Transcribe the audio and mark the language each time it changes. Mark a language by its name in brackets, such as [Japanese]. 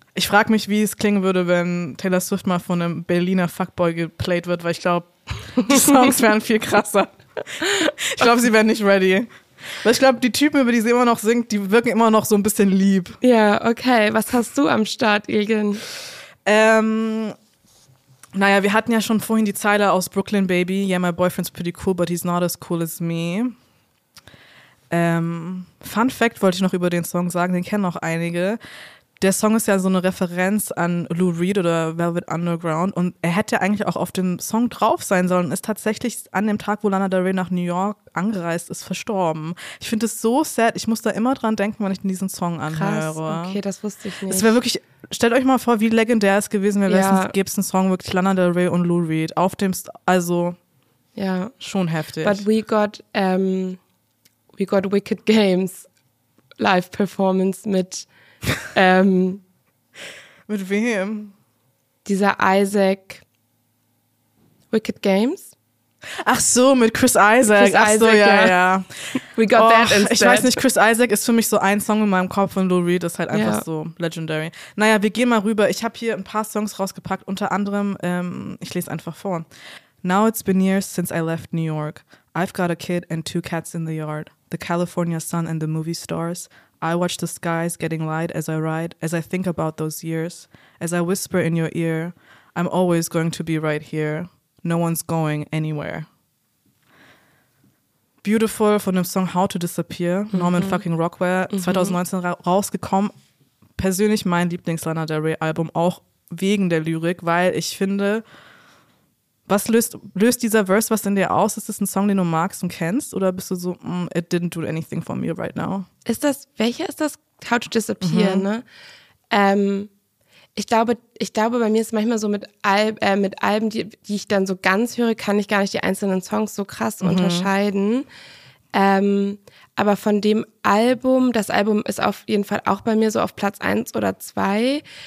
[German] Ich frage mich, wie es klingen würde, wenn Taylor Swift mal von einem Berliner Fuckboy geplayt wird, weil ich glaube, die Songs wären viel krasser. Ich glaube, sie wären nicht ready. Weil ich glaube, die Typen, über die sie immer noch singt, die wirken immer noch so ein bisschen lieb. Ja, okay. Was hast du am Start, Ilgen? Naja, wir hatten ja schon vorhin die Zeile aus Brooklyn Baby. [English] Yeah, my boyfriend's pretty cool, but he's not as cool as me. [German] Fun Fact wollte ich noch über den Song sagen, den kennen auch einige. der Song ist ja so eine Referenz an Lou Reed oder Velvet Underground und er hätte eigentlich auch auf dem Song drauf sein sollen, ist tatsächlich an dem Tag, wo Lana Del Rey nach New York angereist ist, verstorben. Ich finde es so sad, ich muss da immer dran denken, wenn ich diesen Song anhöre. Krass, okay, das wusste ich nicht. Es wäre wirklich, stellt euch mal vor, wie legendär es gewesen wäre, wenn es gäbe einen Song wirklich Lana Del Rey und Lou Reed auf dem, also ja, schon heftig. [English] But we got Wicked Games Live Performance mit [German] mit wem? Dieser Isaac Wicked Games. Ach so, mit Chris Isaac. Chris Isaac. [English] We got that instead. [German] Ich weiß nicht, Chris Isaac ist für mich so ein Song in meinem Kopf und Lou Reed ist halt einfach so legendary. Naja, wir gehen mal rüber. Ich habe hier ein paar Songs rausgepackt, unter anderem, ich lese einfach vor. [English] Now it's been years since I left New York. I've got a kid and two cats in the yard. The California sun and the movie stars. I watch the skies getting light as I ride, as I think about those years, as I whisper in your ear, I'm always going to be right here. No one's going anywhere. [German] Beautiful von dem Song How to Disappear, Norman fucking Rockwell, 2019 rausgekommen. Persönlich mein Lieblings-Lana Del Rey-Album, auch wegen der Lyrik, weil ich finde, was löst dieser Verse was in dir aus? Ist das ein Song, den du magst und kennst? Oder bist du so, [English] it didn't do anything for me right now? [German] Ist das, welcher ist das? How to Disappear, ne? Ich glaube, bei mir ist es manchmal so mit Alben, die ich dann so ganz höre, kann ich gar nicht die einzelnen Songs so krass unterscheiden. Aber von dem Album, das Album ist auf jeden Fall auch bei mir so auf Platz 1 oder 2.